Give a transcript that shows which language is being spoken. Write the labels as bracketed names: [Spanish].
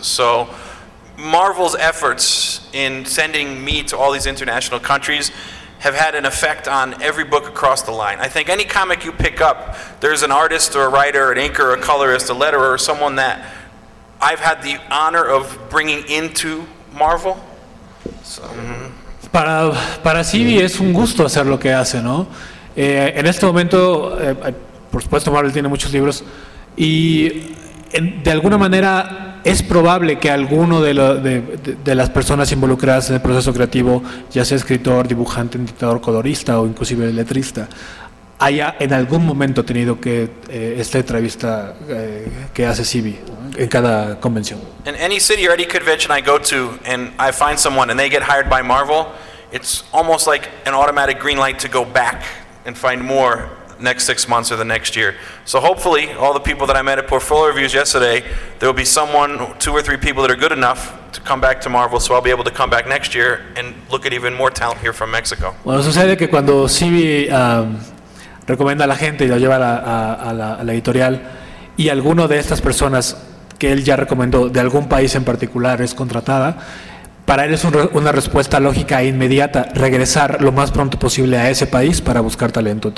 [English] So Marvel's efforts in sending me to all these international countries have had an effect on every book across the line. I think any comic you pick up, there's an artist or a writer, an inker, a colorist, a letterer, or someone that I've had the honor of bringing into Marvel. So, [Spanish] Para CB es un gusto hacer lo que hace, ¿no? En este momento, por supuesto, Marvel tiene muchos libros y de alguna manera es probable que alguno de las personas involucradas en el proceso creativo, ya sea escritor, dibujante, editor, colorista o inclusive letrista, haya en algún momento tenido que esta entrevista que hace CB en cada convención. [English] In any city or any convention I go to and I find someone and they get hired by Marvel, it's almost like an automatic green light to go back and find more next 6 months or the next year. So hopefully, all the people that I met at Portfolio Reviews yesterday, there will be someone, two or three people that are good enough to come back to Marvel, so I'll be able to come back next year and look at even more talent here from Mexico. [Spanish] Bueno, sucede que cuando CB recomienda a la gente y lo lleva a la editorial, y alguno de estas personas que él ya recomendó de algún país en particular es contratada, para él es una respuesta lógica e inmediata, regresar lo más pronto posible a ese país para buscar talento.